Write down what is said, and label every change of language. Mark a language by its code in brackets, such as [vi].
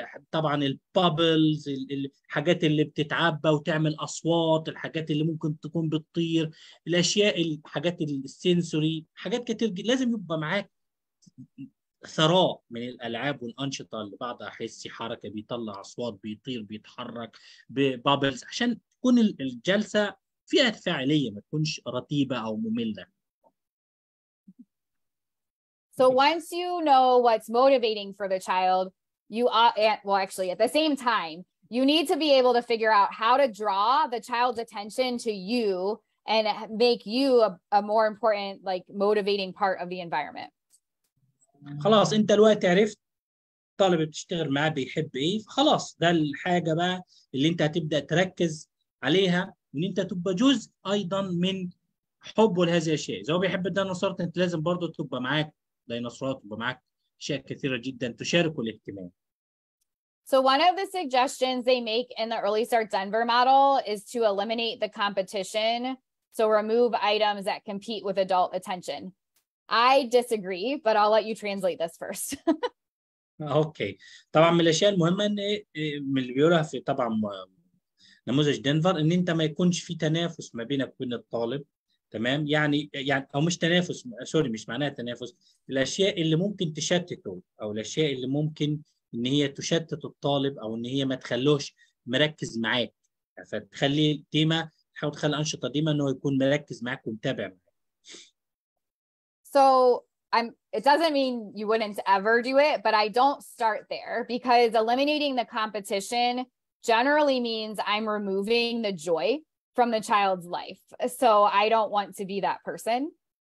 [ar] طبعا البابلز الحاجات اللي بتتعبى وتعمل أصوات الحاجات اللي ممكن تكون بتطير الأشياء الحاجات السنسوري حاجات كتير جدا لازم يبقى معاك ثراء من الألعاب والأنشطة اللي بعضها حسي حركة بيطلع أصوات بيطير بيتحرك ببابلز عشان تكون الجلسة فيها تفاعلية ما تكونش رتيبة أو مملة. [en] So once you know what's motivating for the child, at the same time, you need to be able to figure out how to draw the child's attention to you and make you a more important, like motivating part of the environment. [ar] خلاص انت الوقت عرفت طالب بتشتغل معاه بيحب ايه خلاص ده الحاجه بقى اللي انت هتبدا تركز عليها ان انت تبقى جزء ايضا من حبه لهذه الاشياء اذا هو بيحب الديناصورات انت لازم برضه تبقى معاك ديناصورات تبقى معاك اشياء كثيره جدا تشاركه الاهتمام. [en] So one of the suggestions they make in the Early Start Denver model is to eliminate the competition. So remove items that compete with adult attention. I disagree, but I'll let you translate this first. Okay. [ar] طبعا من الأشياء المهمة إن من اللي بيقولها في طبعا نموذج دنفر إن أنت ما يكونش في تنافس ما بينك وبين الطالب. تمام؟ يعني أو مش تنافس. سوري مش معناها تنافس. الأشياء اللي ممكن تشتته أو الأشياء اللي ممكن إن هي تشتت الطالب أو إن هي ما تخلوش مركز معاك. فتخلي ديما تحاول تخلي الأنشطة ديما إنه يكون مركز معاك ومتابع معاك. [en] So it doesn't mean you wouldn't ever do it, but I don't start there because eliminating the competition generally means I'm removing the joy from the child's life. So I don't want to be that person.